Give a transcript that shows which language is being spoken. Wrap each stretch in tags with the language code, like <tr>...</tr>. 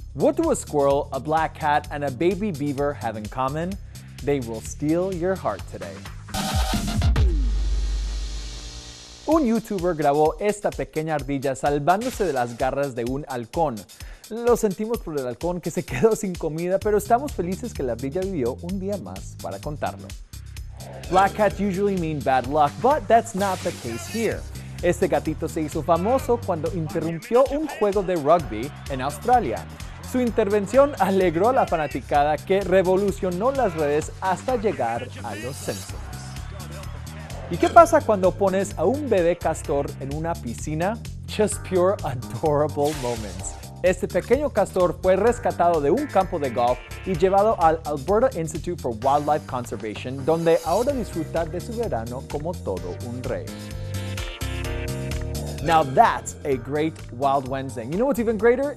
<en>What do a squirrel, a black cat, and a baby beaver have in common? They will steal your heart today.</en> <es>Un youtuber grabó esta pequeña ardilla salvándose de las garras de un halcón. Lo sentimos por el halcón que se quedó sin comida, pero estamos felices que la ardilla vivió un día más para contarlo.</es> <en>Black cats usually mean bad luck, but that's not the case here.</en> <es>Este gatito se hizo famoso cuando interrumpió un juego de rugby en Australia. Su intervención alegró a la fanaticada que revolucionó las redes hasta llegar a los Simpsons. ¿Y qué pasa cuando pones a un bebé castor en una piscina?</es> <en>Just pure adorable moments.</en> <es>Este pequeño castor fue rescatado de un campo de golf y llevado al Alberta Institute for Wildlife Conservation, donde ahora disfruta de su verano como todo un rey.</es> <en>Now that's a great Wild Wednesday. You know what's even greater?</en>